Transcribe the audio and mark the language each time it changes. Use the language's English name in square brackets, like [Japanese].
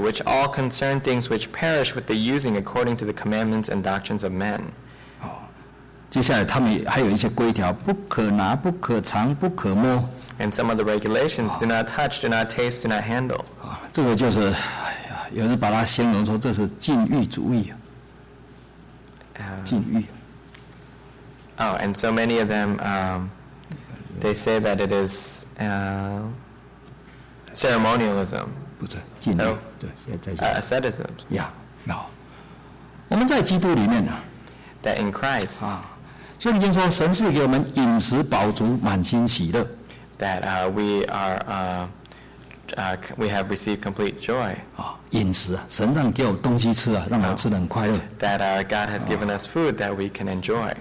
[English] Which all concern things which perish with the using according to the commandments and doctrines of men. [Chinese] 接下来他们还有一些规条，不可拿，不可尝，不可摸。 [English] And some of the regulations, do not touch, do not taste, do not handle. [Chinese] 这个就是，有人把它形容说这是禁欲主义啊，禁欲。 [English] Oh, and so many of them, they say that it is ceremonialism. [Chinese] 不是禁欲，对，也在。 [English] Asceticism. Yeah, no. [Chinese] 我们在基督里面呢。 [English] That in Christ. [Chinese] 啊，圣经说神是给我们饮食饱足，满心喜乐。 [English] That we are, we have received complete joy. [Chinese] 饮食，神让给我东西吃啊，让我吃得很快乐。 [English] That God has given us food that we can enjoy.